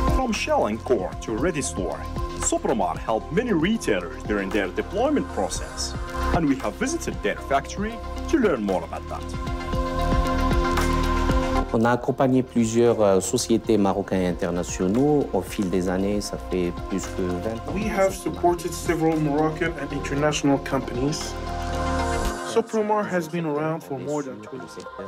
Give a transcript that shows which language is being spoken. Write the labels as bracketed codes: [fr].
[en] shell and core to ready store. Sopromar helped many retailers during their deployment process, and we have visited their factory to learn more about that. [fr] On a accompagné plusieurs sociétés marocaines internationaux au fil des années, ça fait plus que 20 ans. [en] We have supported several Moroccan and international companies. Sopromar has been around for more than 20 years.